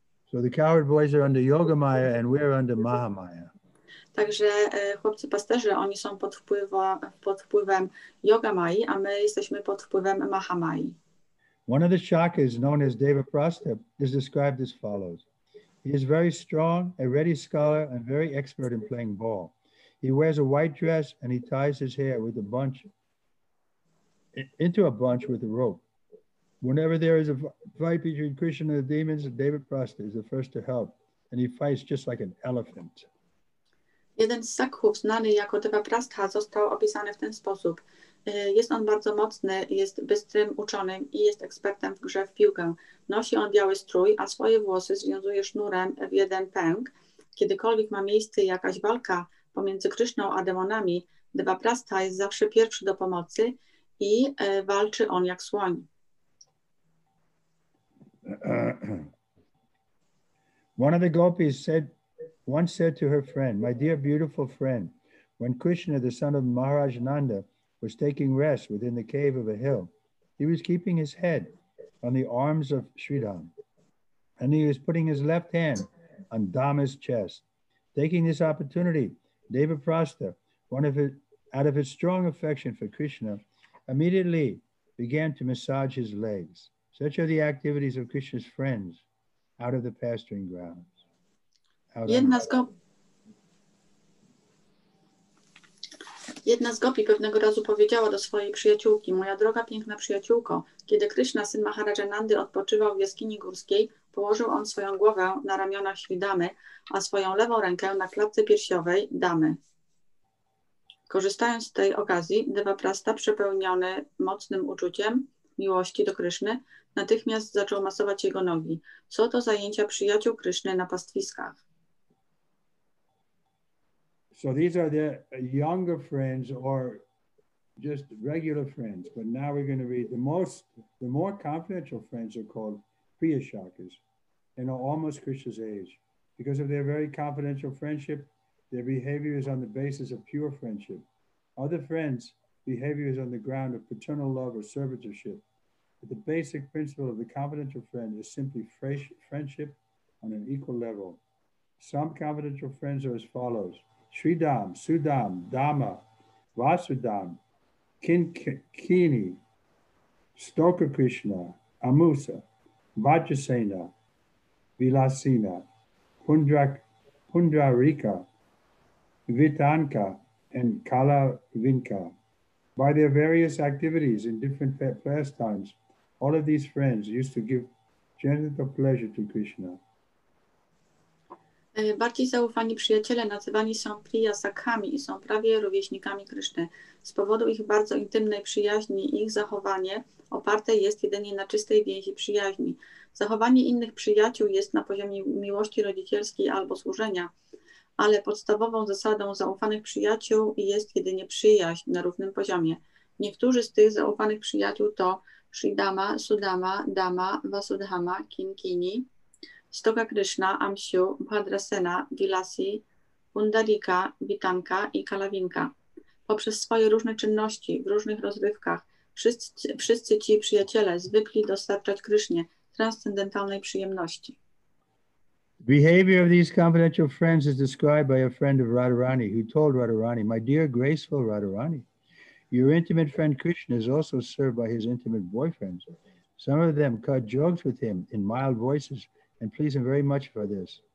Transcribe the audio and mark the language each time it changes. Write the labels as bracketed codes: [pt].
[en] So the coward boys are under yoga maya and we're under mahamaya. [pl] Także chłopcy pasterze, oni są pod wpływem yoga mayi, a my jesteśmy pod wpływem mahamayi. [en] One of the shakas known as Devaprastha is described as follows. He is very strong, a ready scholar, and very expert in playing ball. He wears a white dress and he ties his hair into a bunch with a rope. Whenever there is a fight between Krishna and the demons, Devaprastha is the first to help, and he fights just like an elephant. [pl] Jeden z sakhów, znany jako Devaprastha, został opisany w ten sposób. Jest on bardzo mocny, jest bystrym uczonym i jest ekspertem w grze w piłkę. Nosi on biały strój, a swoje włosy związuje sznurem w jeden pęk. Kiedykolwiek ma miejsce jakaś walka pomiędzy Krishną a demonami, Devaprastha jest zawsze pierwszy do pomocy i walczy on jak słoń. [en] One of the gopis once said to her friend, "My dear, beautiful friend, when Krishna, the son of Maharaj Nanda, was taking rest within the cave of a hill, he was keeping his head on the arms of Sridhar, and he was putting his left hand on Dama's chest. Taking this opportunity, Devaprastha, out of his strong affection for Krishna, immediately began to massage his legs. Such are the activities of Krishna's friends out of the pasturing grounds." [pl] Jedna z gopi pewnego razu powiedziała do swojej przyjaciółki: "Moja droga, piękna przyjaciółko, kiedy Krishna, syn Maharaja Nandy, odpoczywał w jaskini górskiej, położył on swoją głowę na ramionach Śridamy, a swoją lewą rękę na klatce piersiowej Damy. Korzystając z tej okazji, Devaprastha, przepełniony mocnym uczuciem miłości do Krishny, natychmiast zaczął masować jego nogi. Co to zajęcia przyjaciół Krishny na pastwiskach?" [en] So these are the younger friends or just regular friends, but now we're going to read the more confidential friends are called Priya Shakas and are almost Krishna's age. Because of their very confidential friendship, their behavior is on the basis of pure friendship. Other friends' behavior is on the ground of paternal love or servitorship. But the basic principle of the confidential friend is simply friendship on an equal level. Some confidential friends are as follows: Sridham, Sudham, Dama, Vasudham, Kinkini, Stoka Krishna, Amusa, Vajrasena, Vilasina, Pundrarika, Vitanka, and Kalavinka. By their various activities in different pastimes, all of these friends used to give genital pleasure to Krishna. [pl] Bardziej zaufani przyjaciele nazywani są Priya Sakhami i są prawie rówieśnikami Kryszny. Z powodu ich bardzo intymnej przyjaźni ich zachowanie oparte jest jedynie na czystej więzi przyjaźni. Zachowanie innych przyjaciół jest na poziomie miłości rodzicielskiej albo służenia, ale podstawową zasadą zaufanych przyjaciół jest jedynie przyjaźń na równym poziomie. Niektórzy z tych zaufanych przyjaciół to Sridhama, Sudama, Dama, Vasudhama, Kinkini, Stoka Krishna, Amsiu, Bhadrasena, Vilasi, Pundarika, Vitanka i Kalavinka. Poprzez swoje różne czynności w różnych rozrywkach wszyscy ci przyjaciele zwykli dostarczać Krishnie transcendentalnej przyjemności. [en] Behavior of these confidential friends is described by a friend of Radharani who told Radharani, "My dear graceful Radharani, your intimate friend Krishna is also served by his intimate boyfriends. Some of them cut jokes with him in mild voices and please him very much by this.